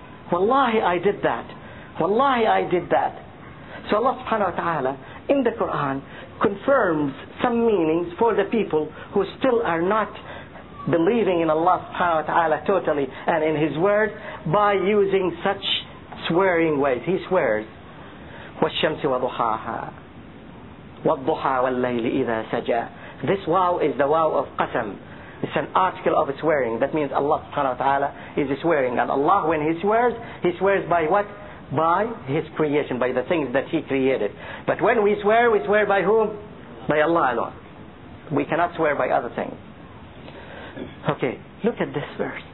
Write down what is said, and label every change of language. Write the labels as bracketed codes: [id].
[en] Wallahi, I did that. Wallahi, I did that. So Allah subhanahu wa ta'ala in the Quran confirms some meanings for the people who still are not believing in Allah subhanahu wa ta'ala totally and in His word by using such swearing ways. He swears, [ar] وَالشَّمْسِ وَضُحَاهَا وَالضُحَى وَاللَّيْلِ إِذَا سَجَى. [en] This waw is the waw of qasam. It's an article of swearing. That means Allah subhanahu wa ta'ala is swearing. And Allah, when He swears by what? By His creation, by the things that He created. But when we swear by whom? By Allah alone. We cannot swear by other things. Okay, look at this verse.